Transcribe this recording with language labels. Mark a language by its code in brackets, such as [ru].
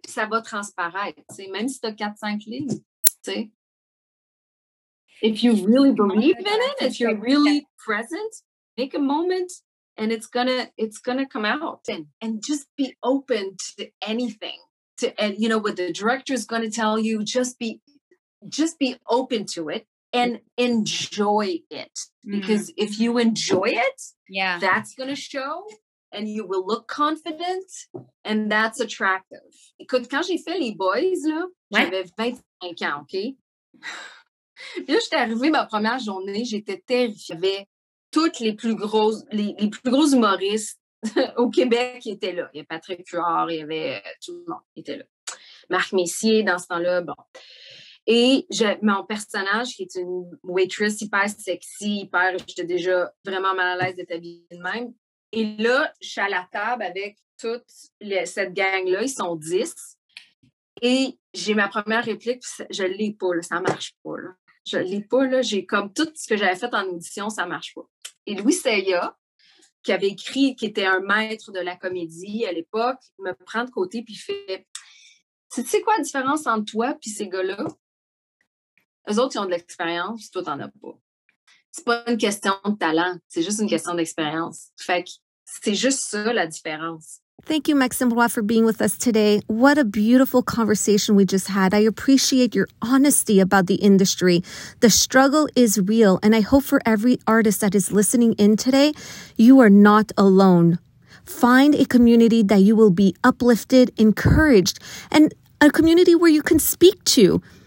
[fr] Puis ça va transparaître, tu sais, même si t'as 4-5 lignes, tu sais. [en] If you really believe in it, if you're really present, make a moment and it's gonna come out. And just be open to anything. And you know what the director is going to tell you, just be open to it and enjoy it. Because if you enjoy it, yeah, that's going to show and you will look confident and that's attractive. [fr] Écoute, quand j'ai fait les boys, là, ouais. J'avais 25 ans, OK? Puis là, j'étais arrivée ma première journée, j'étais terrifiée. J'avais toutes les plus gros humoristes. Au Québec, il était là. Il y avait Patrick Huard, il y avait tout le monde. Il était là. Marc Messier, dans ce temps-là, bon. Et mon personnage, qui est une waitress hyper sexy, hyper... J'étais déjà vraiment mal à l'aise d'être habillée de même. Et là, je suis à la table avec toute cette gang-là. Ils sont 10. Et j'ai ma première réplique, puis je l'ai pas, là. Ça marche pas, là. Je l'ai pas, là. J'ai comme tout ce que j'avais fait en audition, ça marche pas. Et Louis Seya, qui avait écrit, qui était un maître de la comédie à l'époque, me prend de côté puis fait « Tu sais quoi la différence entre toi puis ces gars-là? Eux autres, ils ont de l'expérience, toi, t'en as pas. C'est pas une question de talent, c'est juste une question d'expérience. Fait que c'est juste ça, la différence. » [en] Thank you, Maxime Roy, for being with us today. What a beautiful conversation we just had. I appreciate your honesty about the industry. The struggle is real, and I hope for every artist that is listening in today, you are not alone. Find a community that you will be uplifted, encouraged, and a community where you can speak to.